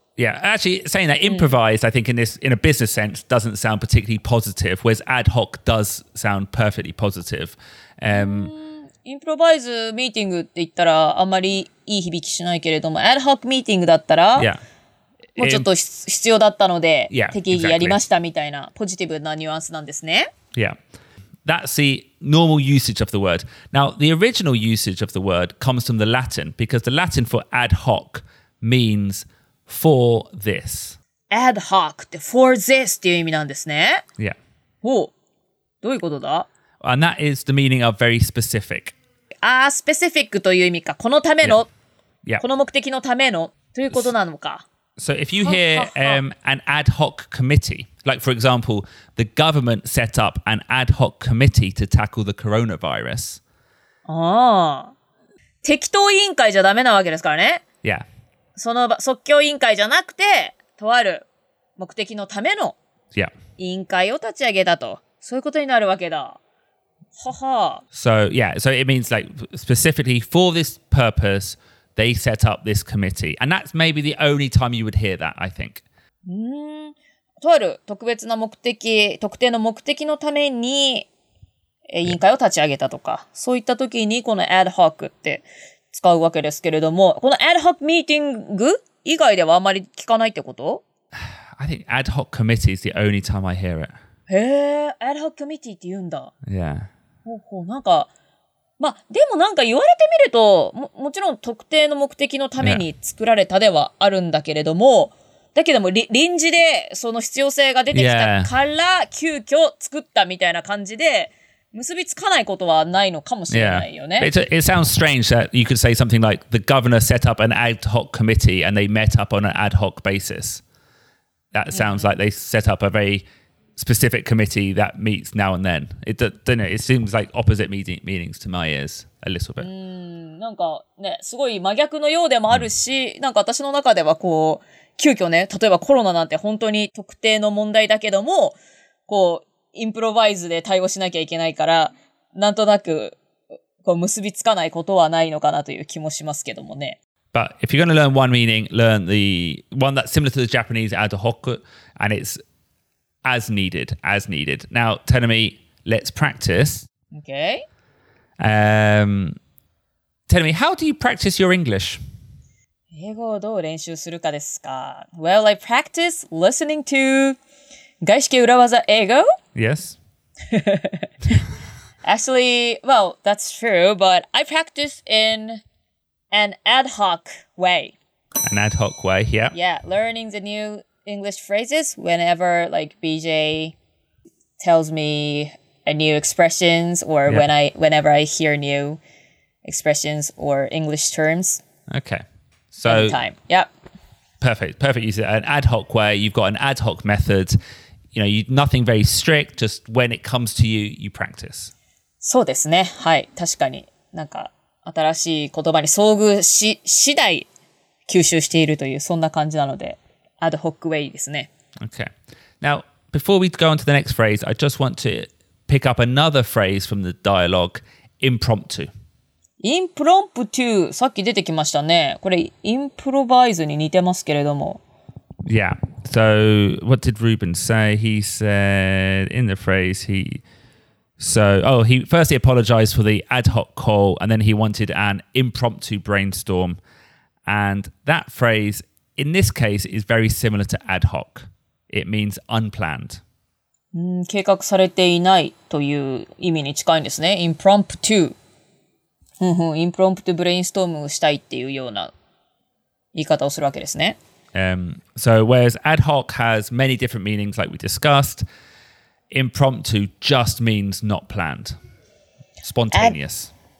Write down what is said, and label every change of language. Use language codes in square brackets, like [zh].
[en] Yeah, actually saying that improvised, I think in a business sense, doesn't sound particularly positive, whereas ad hoc does sound perfectly positive. Improvise meeting [ja] って言ったらあんまりいい響きしないけれども、ad hoc meeting だったら、 [en] yeah. [ja] もうちょっと必要だったので、 [en] yeah, [ja] 適宜やりましたみたいな、ポジティブなニュアンスなんですね。 [en] Yeah. That's the normal usage of the word. Now, the original usage of the word comes from the Latin, because the Latin for ad hoc meansFor this. [ja] Ad hoc って [en] for this [ja] っていう意味なんですね。 [en] Yeah. [ja] ほう。どういうことだ? [en] And that is the meaning of very specific. [ja] Ah, specific という意味か。このための。 [en] Yeah. Yeah. [ja] この目的のためのということなのか。 [en] So if you hear an ad hoc committee, like for example, the government set up an ad hoc committee to tackle the coronavirus. [ja] ああ。適当委員会じゃダメなわけですからね。 [en] Yeah. [ja] その即興委員会じゃなくて、とある目的のための委員会を立ち上げたと、 [en] yeah. [ja] そういうことになるわけだ。はは。 [en] So yeah, so it means like specifically for this purpose, they set up this committee, and that's maybe the only time you would hear that, I think. [ja] とある特別な目的、特定の目的のために委員会を立ち上げたとか、 [en] yeah. [ja] そういった時にこの ad hoc って。使うわけですけれども、この ad hoc meeting 以外ではあまり聞かないってこと? [en] I think ad hoc committee is the only time I hear it. [ja] へえ、ad hoc committee って言うんだ。 [en] Yeah. [ja] ほうほう、なんか、まあでもなんか言われてみると、もちろん特定の目的のために作られたではあるんだけれども、 [en] yeah. [ja] だけども臨時でその必要性が出てきたから急遽作ったみたいな感じで、結びつかないことはないのかもしれないよね。 [en] Yeah. It sounds strange that you could say something like the governor set up an ad hoc committee and they met up on an ad hoc basis. That sounds like they set up a very specific committee that meets now and then. It don't know. It seems like opposite meanings to my ears a little bit. [ja] なんかね、すごい真逆のようでもあるし、なんか私の中ではこう急遽ね、例えばコロナなんて本当に特定の問題だけども、こうインプロバイズで対応しなきゃいけないからなんとなくこう結びつかないことはないのかなという気もしますけどもね。 b [en] But if you're going to learn one meaning, learn the one that's similar to the Japanese adahoku, and it's as needed, as needed. Now, Tenomi, let's practice. Okay. Tenomi, how do you practice your English? [ja] 英語をどう練習するかですか? [en] Well, I practice listening to 外資系裏技英語? Yes. Actually, well, that's true, but I practice in an ad hoc way. An ad hoc way, yeah. Yeah, learning the new English phrases whenever like BJ tells me a new expressions or yeah. whenever I hear new expressions or English terms. Okay. So, anytime. Yep. Perfect. Perfect. Use it an ad hoc way. You've got an ad hoc method. You know, nothing very strict, just when it comes to you, you practice. [ja] そうですね。はい。確かに。なんか、新しい言葉に遭遇し、次第吸収しているという、そんな感じなので、ad hoc way ですね。 [en] Okay. Now, before we go on to the next phrase, I just want to pick up another phrase from the dialogue, impromptu. Impromptu! [ja] さっき出てきましたね。これ、improvise に似てますけれども。 [en] Yeah. So, what did Ruben say? He said, in the phrase, he firstly apologized for the ad hoc call, and then he wanted an impromptu brainstorm. And that phrase, in this case, is very similar to ad hoc. It means unplanned. [ja] 計画されていないという意味に近いんですね。 Impromptu. Impromptu brainstorm をしたいっていうような言い方をするわけですね。 [en] So whereas ad hoc has many different meanings like we discussed, impromptu just means not planned, spontaneous.